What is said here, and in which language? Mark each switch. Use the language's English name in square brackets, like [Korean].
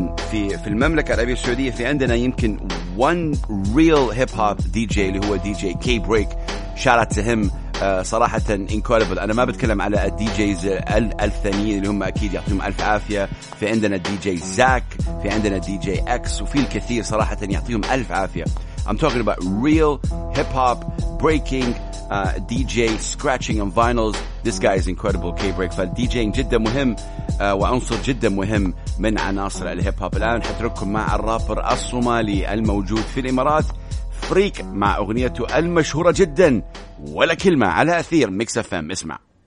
[Arabic] في المملكة العربية السعودية في عندنا يمكن [English] one real hip hop DJ [Arabic] اللي هو DJ K-Break، [English] Shout out to him. [Arabic] صراحة [English] incredible. [Arabic] أنا ما بتكلم على الدي جيز الثانيين اللي هم أكيد يعطيهم ألف عافية. في عندنا الدي جي زاك, في عندنا الدي جي أكس, وفي الكثير صراحة يعطيهم ألف عافية. [English] I'm talking about real hip hop breaking DJ scratching on vinyls. This guy is incredible. K-Break. [Arabic] فالDJing جدا مهم وعنصر جدا مهم من عناصر الهيب هوب. الآن حتركم مع الرابر الصومالي الموجود في الإمارات فريك مع أغنيته المشهورة جدا ولا كلمة على أثير ميكس اف ام. اسمع.